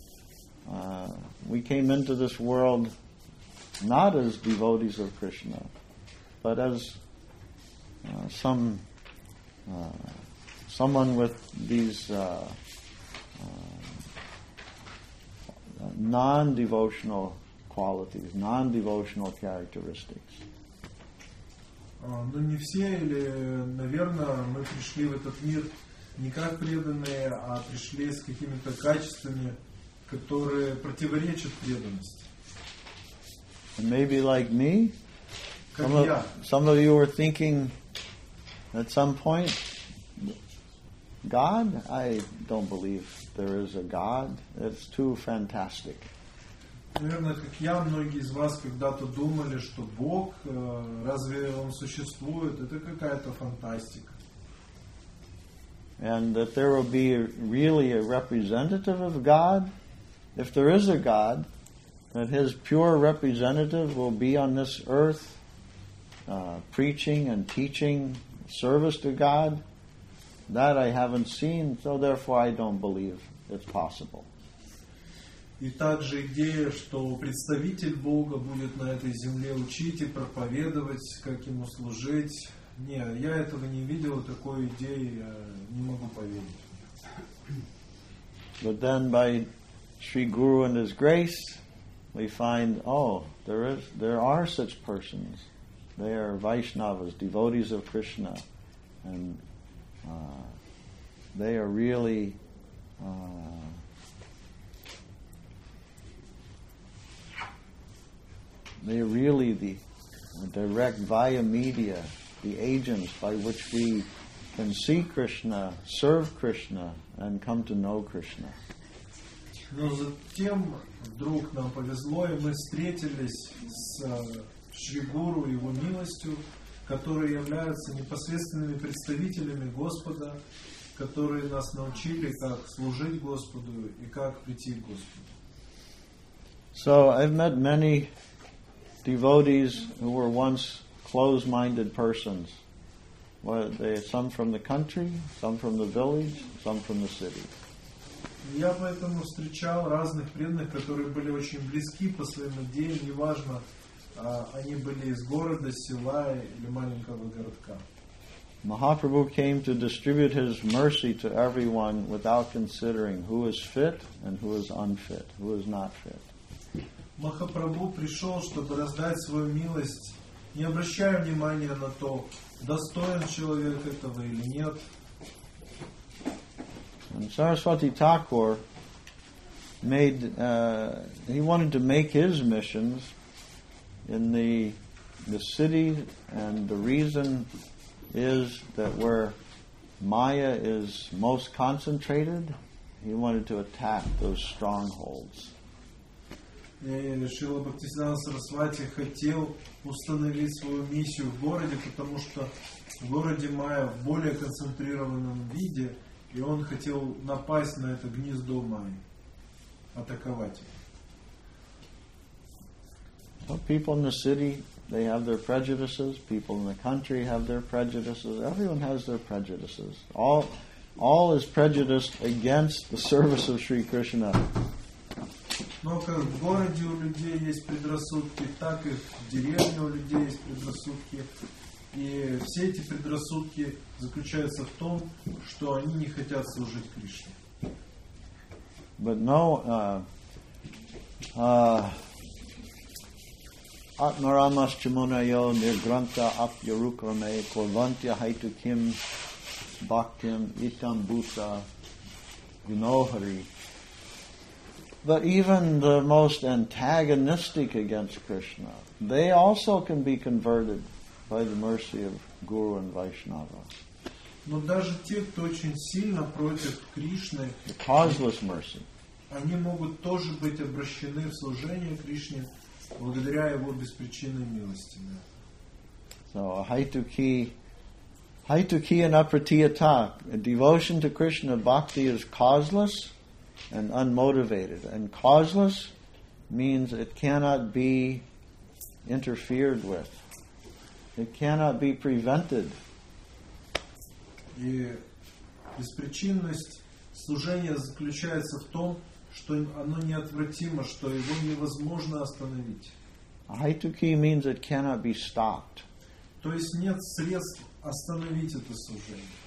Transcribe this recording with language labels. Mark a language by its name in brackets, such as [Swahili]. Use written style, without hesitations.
[English] Maybe like me, we came into this world not as devotees of Krishna, but as someone with these non-devotional qualities, non-devotional characteristics. [Russian] Ну не все, или, наверное, мы пришли в этот мир не как преданные, а пришли с какими-то качествами, которые противоречат преданности. [English] And maybe like me, [Russian] как [English] some [Russian] я. [English] Some of you are thinking at some point, God? I don't believe there is a God. It's too fantastic. [Russian] Наверное, как я, многие из вас когда-то думали, что Бог, разве он существует? Это какая-то фантастика. [English] And that there will be really a representative of God, if there is a God, that His pure representative will be on this earth, preaching and teaching service to God, that I haven't seen, so therefore I don't believe it's possible. [Russian] И также идея, что представитель Бога будет на этой земле учить и проповедовать, как ему служить. Не, я этого не видел, такой идеи я не могу поверить. [English] But then by Sri Guru and His grace, we find, oh, there are such persons. They are Vaishnavas, devotees of Krishna. And they are really the direct via media, the agents by which we can see Krishna, serve Krishna, and come to know Krishna. [Russian] Но затем вдруг нам повезло, и мы встретились с Шри Гуру, Его милостью, которые являются непосредственными представителями Господа, которые нас научили, как служить Господу и как прийти к Господу. [English] So I've met many devotees who were once closed-minded persons, well, they are some from the country, some from the village, some from the city. [Russian] Я поэтому встречал разных преданных, которые были очень близки по своим идеям, неважно, они были из города, села или маленького городка. [English] Mahaprabhu came to distribute his mercy to everyone without considering who is fit and who is unfit, who is not fit. [Russian] Махапрабху пришел, чтобы раздать свою милость, не обращая внимания на то, достоин человек этого или нет. [English] And Saraswati Thakur made he wanted to make his missions in the city, and the reason is that where Maya is most concentrated, he wanted to attack those strongholds. [Russian] И Шрила Бхактисиддханта Сарасвати хотел установить свою миссию в городе, потому что в городе Майя в более концентрированном виде, и он хотел напасть на это гнездо Майи, атаковать его. [English] People in the city, they have their prejudices. People in the country have their prejudices. Everyone has their prejudices. All is prejudiced against the service of Sri Krishna. [Russian] Но как в городе у людей есть предрассудки, так и в деревне у людей есть предрассудки. И все эти предрассудки заключаются в том, что они не хотят служить Кришне. [English] But no, [Sanskrit] Atmaramas Chimunayo Nirgranta Apyarukrame Kurvantya Haitukim Bhaktim Itam Bhuta Gnohari. [English] But even the most antagonistic against Krishna, they also can be converted by the mercy of Guru and Vaishnava. [Russian] Но даже те, кто очень сильно против Кришны, [English] the causeless mercy, [Russian] они могут тоже быть обращены в служение Кришне благодаря его беспричинной милости. [English] So, Haituki and Apratiyata, a devotion to Krishna, bhakti is causeless and unmotivated. And causeless means it cannot be interfered with. It cannot be prevented. [Russian] И беспричинность служения заключается в том, что оно неотвратимо, что его невозможно остановить. [English] Haituki means it cannot be stopped. [Russian] То есть нет средств остановить это служение.